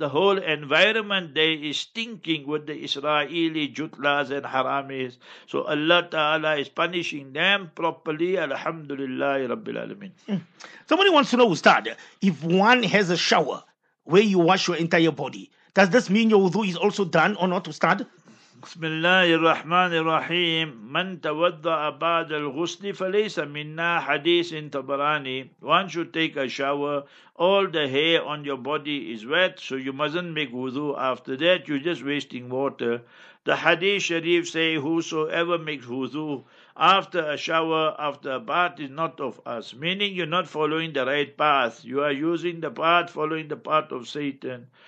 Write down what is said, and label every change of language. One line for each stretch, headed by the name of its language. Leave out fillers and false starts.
English: The whole environment there is stinking with the Israeli jutlas and haramis. So Allah Ta'ala is punishing them properly, alhamdulillah rabbil alamin. Somebody wants to know, Ustad, if one has a shower where you wash your entire body, does this mean your wudu is also done or not, Ustad?
Arabic: بسم الله الرحمن الرحيم من توضأ بعد الغسل فليس منا حديث طبراني.
English: One should take a shower, all the hair on your body is wet, so you mustn't make wudu after that, you're just wasting water. The hadith sharif say whosoever makes wudu after a shower, after a bath, is not of us, meaning you're not following the right path, you are using the path, following the path of Satan.